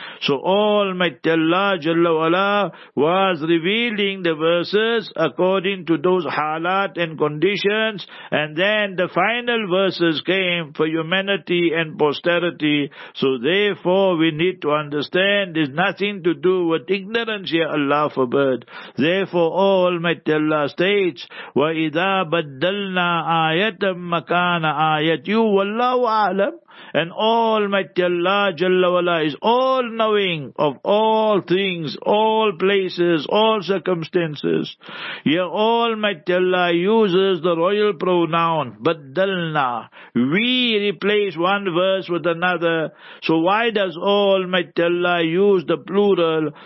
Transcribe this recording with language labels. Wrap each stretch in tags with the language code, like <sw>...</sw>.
<en>So Almighty Allah Jalla Wala was revealing the verses according to those halat and conditions, and then the final verses came for humanity and posterity. So therefore we need to understand, there's nothing to do with ignorance here, Allah forbid. Therefore Almighty Allah states,</en> <ar>وَإِذَا بَدَّلْنَا آيَةً مَكَانَ آيَةً وَاللَّهُ أَعْلَمْ.</ar> <en>And Almighty Allah Jalla Wala is all knowing of all things, all places, all circumstances. Here Almighty Allah uses the royal pronoun Baddalna. We replace one verse with another. So why does Almighty Allah use the plural?</en>